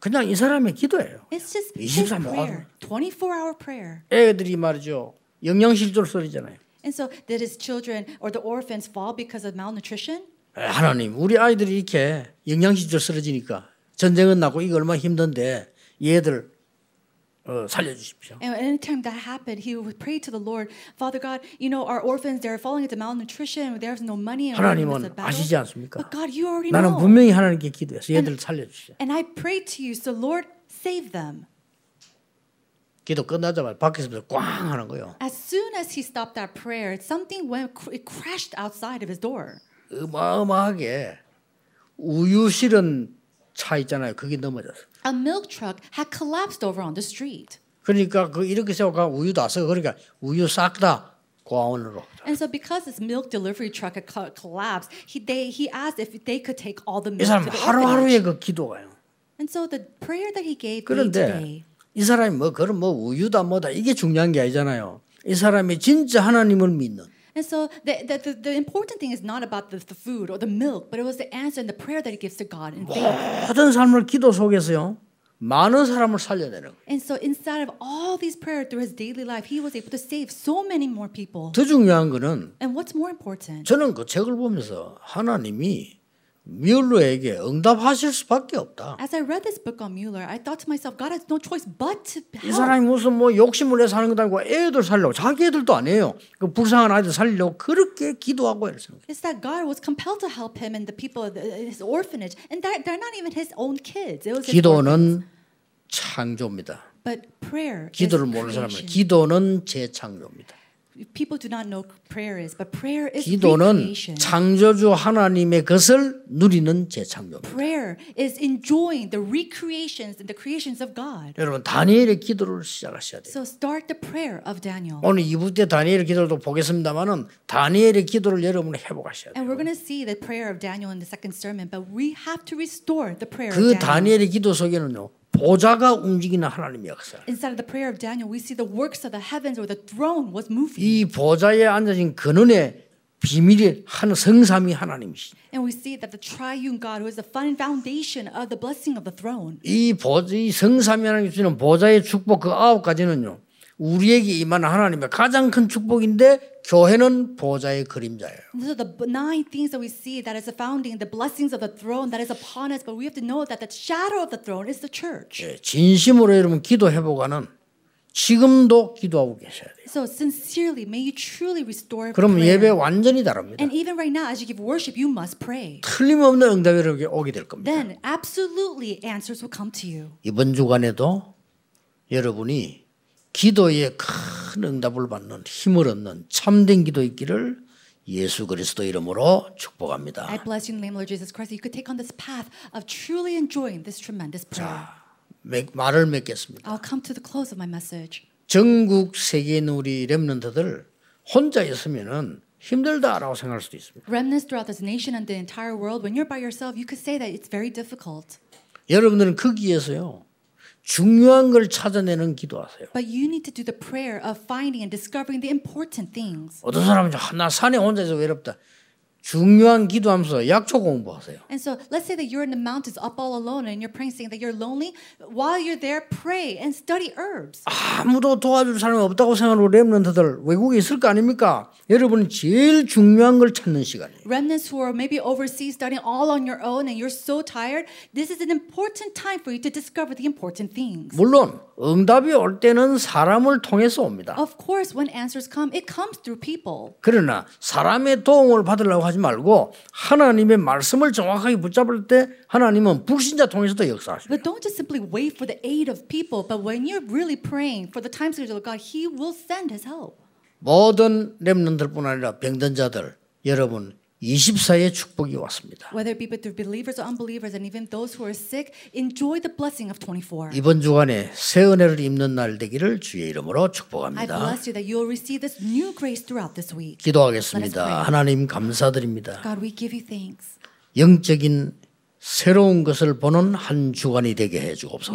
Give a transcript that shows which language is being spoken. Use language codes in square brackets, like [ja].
[ko] 그냥 이 사람의 기도예요. [en] It's just his prayer, 24-hour prayer. [ko] 애들이 말이죠, 영양 실조 소리잖아요. [en] And so did his children or the orphans fall because of malnutrition? [ko] 하나님, 우리 아이들이 이렇게 영양 실조 쓰러지니까 전쟁은 나고 이거 얼마나 힘든데 얘들 살려 주십시오. [en] And any time that happened, he would pray to the Lord, Father God, you know our orphans, they're falling into malnutrition, there's no money. [ko] 하나님은 아시지 않습니까? [en] But God, you already know. [ko] 나는 분명히 하나님께 기도해서 얘들 살려 주시오. [en] And I pray to you, so Lord, save them. [ko] 기도 끝나자마자 밖에서 꽝 하는 거요. [en] As soon as he stopped that prayer, something went, it crashed outside of his door. [ko] 어마어마하게 우유 실은 차 있잖아요. 그게 넘어졌어. [en] A milk truck had collapsed over on the street. [ko] 그러니까 그 이렇게 세워가 우유 다 써. 그러니까 우유 싹 다 고아원으로. [en] And so because this milk delivery truck had collapsed, he asked if they could take all the milk. [ko] 이 사람 하루하루에 그 기도가요. [en] And so the prayer that he gave. [ko] 그런데 [en] today, [ko] 이 사람이 뭐 그런 뭐 우유다 뭐다 이게 중요한 게 아니잖아요. 이 사람이 진짜 하나님을 믿는. [en] And so the important thing is not about the food or the milk, but it was the answer and the prayer that he gives to God in faith. [ko] 모든 사람을 기도 속에서요, 많은 사람을 살려내는. [en] And so inside of all these prayers through his daily life, he was able to save so many more people. [ko] 더 중요한 거는. [en] And what's more important? [ko] 저는 그 책을 보면서 하나님이 뮬러에게 응답하실 수밖에 없다. [en] As I read this book on Mueller, I thought to myself, God has no choice but to help. [ko] 이 사람이 무슨 뭐 욕심을 내서 하는 것도 아니고 애들 살려고 자기 애들도 안 해요. 그 불쌍한 아이들 살려고 그렇게 기도하고 있어요. [en] It's that God was compelled to help him and the people of his orphanage, and they're not even his own kids. It was [ko] 기도는 창조입니다. [en] But prayer. [ko] 기도를 모르는 사람은 기도는 재창조입니다. [en] People do not know prayer is, but prayer is [ko] 기도는 [en] recreation. [ko] 창조주 하나님의 것을 누리는 재창조입니다. [en] Prayer is enjoying the recreations and the creations of God. [ko] 여러분 다니엘의 기도를 시작하셔야 돼요. [en] So start the prayer of Daniel. [ko] 오늘 이부 때 다니엘의 기도도 보겠습니다만은 다니엘의 기도를 여러분 회복하셔야 돼요. [en] And we're going to see the prayer of Daniel in the second sermon, but we have to restore the prayer. 그 of Daniel. [ko] 다니엘의 기도 속에는요. 보좌가 움직이는 하나님 역사. [en] Inside of the prayer of Daniel, we see the works of the heavens or the throne was moving. [ko] 이 보좌에 앉으신 근원의 비밀이 한 성삼위 하나님이시. [en] And we see that the triune God who is the foundation of the blessing of the throne. [ko] 이 보좌 이 성삼위 하나님이시는 보좌의 축복 그 아홉 가지는요. 우리에게 임하는 하나님의 가장 큰 축복인데 교회는 보좌의 그림자예요. [en] So the nine things that we see that is the founding, the blessings of the throne that is upon us, but we have to know that the shadow of the throne is the church. [ko] 예, 진심으로 여러분 기도해보가는 지금도 기도하고 계셔야 돼요. [en] So sincerely, may you truly restore. [ko] 그럼 예배 완전히 다릅니다. [en] And even right now, as you give worship, you must pray. [ko] 틀림없는 응답이 여러분께 오게 될 겁니다. [en] Then absolutely answers will come to you. [ko] 이번 주간에도 여러분이 기도에 큰 응답을 받는 힘을 얻는 참된 기도 있기를 예수 그리스도 이름으로 축복합니다. [en] I bless you in the name of Jesus Christ. You could take on this path of truly enjoying this tremendous prayer. [ko] 자, 말을 맺겠습니다. [en] I'll come to the close of my message. [ko] 전국 세계인 우리 렘넌트들 혼자 있으면은 힘들다라고 생각할 수도 있습니다. [en] Remnants throughout this nation and the entire world, when you're by yourself, you could say that it's very difficult. [ko] 여러분들은 거기에서요. 중요한 걸 찾아내는 기도하세요. [en] But you need to do the prayer of finding and discovering the important things. [ko] 어떤 사람은 나 산에 혼자서 외롭다. 중요한 기도하면서 약초 공부하세요. [en] And so let's say that you're in the mountains up all alone and you're praying saying that you're lonely. While you're there, pray and study herbs. [ko] 아무도 도와줄 사람이 없다고 생각하고 렘넌트들 외국에 있을 거 아닙니까? 여러분 제일 중요한 걸 찾는 시간이에요. [en] Remnants who are maybe overseas studying all on your own and you're so tired. This is an important time for you to discover the important things. [ko] 물론 응답이 올 때는 사람을 통해서 옵니다. [en] Of course, when answers come, it comes through people. [ko] 그러나 사람의 도움을 받으려고 하지 말고 하나님의 말씀을 정확하게 붙잡을 때 하나님은 불신자 통해서도 역사하십니다. [en] But don't just simply wait for the aid of people. But when you're really praying for the time schedule of God, He will send His help. [ko] 모든 렘넌트뿐 아니라 병든 자들 여러분. 24의 축복이 왔습니다. [en] Whether it be through believers or unbelievers and even those who are sick, enjoy the blessing of 24. [ko] 이번 주간에 새 은혜를 입는 날 되기를 주의 이름으로 축복합니다. [en] I bless you that you will receive this new grace throughout this week. [ko] 기도하겠습니다. 하나님 감사드립니다. [en] God, we give you thanks. [ko] 영적인 새로운 것을 보는 한 주간이 되게 해 주옵소서.